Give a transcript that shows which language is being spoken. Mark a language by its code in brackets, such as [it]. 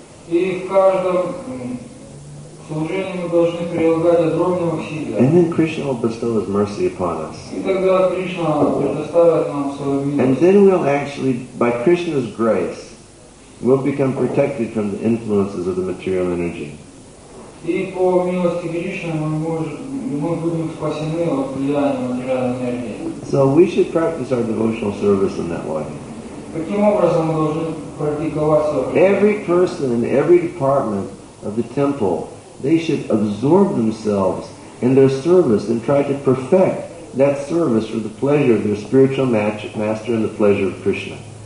[en] And then Krishna will bestow His mercy upon us. And then we'll actually, by Krishna's grace, will become protected from the influences of the material energy. [ru] И по милости Кришны мы будем спасены от влияния материальной энергии. [en] So we should practice our devotional service in that way. [ru] Каким образом мы должны практиковать свое? [en] Every person in every department of the temple, they should absorb themselves in their service and try to perfect that service for the pleasure of their spiritual master and the pleasure of Krishna.